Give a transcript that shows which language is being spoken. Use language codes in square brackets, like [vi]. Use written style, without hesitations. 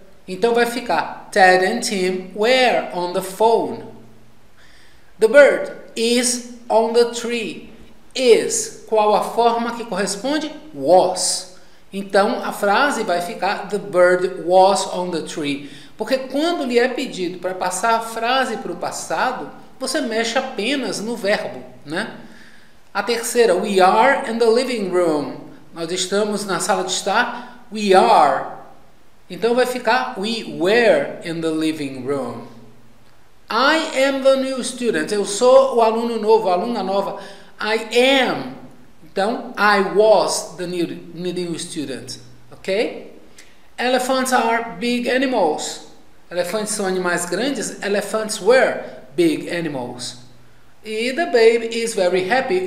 [pt] Então vai ficar [en] Ted and Tim were on the phone. The bird is on the tree. Is, [pt] qual a forma que corresponde? [en] Was. [pt] Então a frase vai ficar [en] The bird was on the tree. [pt] Porque quando lhe é pedido para passar a frase para o passado, você mexe apenas no verbo, né? A terceira, [en] we are in the living room. [pt] Nós estamos na sala de estar. [en] We are. [pt] Então vai ficar [en] we were in the living room. I am the new student. [pt] Eu sou o aluno novo, a aluna nova. [en] I am. Então, I was the new student. Ok? Elephants are big animals. [pt] Elefantes são animais grandes. [en] Elephants were big animals. E the baby is very happy.